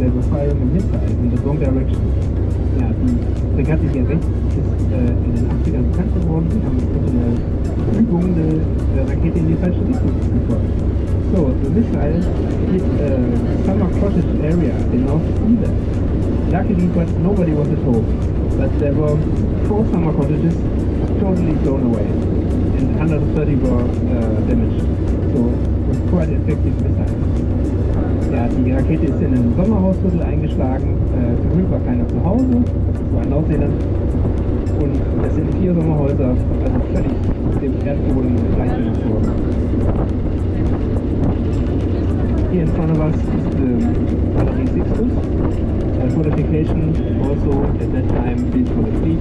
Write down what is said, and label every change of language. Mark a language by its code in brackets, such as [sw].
[en] They were firing a missile in the wrong direction. [de] Ja, die Fregatte hier rechts ist in den 80ern bekannt geworden. Wir haben mit einer Übung eine Rakete in die falsche Richtung geschossen. [en] So, the missile hit Summer Cottage area in North Sweden. Luckily, but nobody was at home. But there were four summer cottages totally blown away. And 130 were damaged. So, it was quite an effective missile. [de] Ja, die Rakete ist in ein Sommerhausviertel eingeschlagen, zum Glück war keiner zu Hause, das war ein Aussehen. Und das sind vier Sommerhäuser, also völlig dem Erdboden gleichgemacht worden. Hier [en] in front of us is the Galerie Sixtus, a fortification also at that time built for the fleet.